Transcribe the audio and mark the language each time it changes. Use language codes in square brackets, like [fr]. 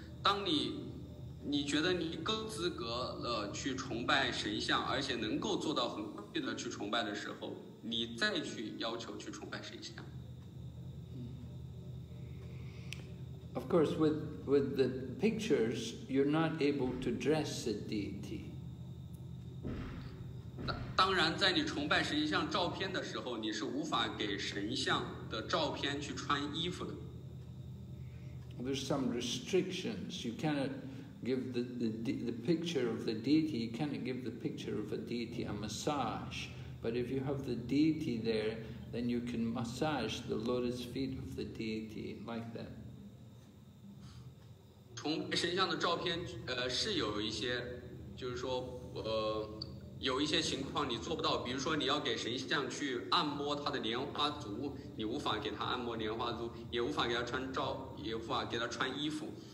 [zh] 当你觉得你更资格了去崇拜神像，而且能够做到很规律的去崇拜的时候，你再去要求去崇拜神像。 [en] Of course, with the pictures, you're not able to dress the deity. [zh] 当然，在你崇拜神像照片的时候，你是无法给神像的照片去穿衣服的。 [en] There's some restrictions. You cannot give the picture of the deity. You cannot give the picture of a deity a massage. But if you have the deity there, then you can massage the lotus feet of the deity like that. [zh] 崇拜神像的照片，是有一些，就是说，有一些情况你做不到。比如说，你要给神像去按摩他的莲花足，你无法给他按摩莲花足，也无法给他穿罩，也无法给他穿衣服。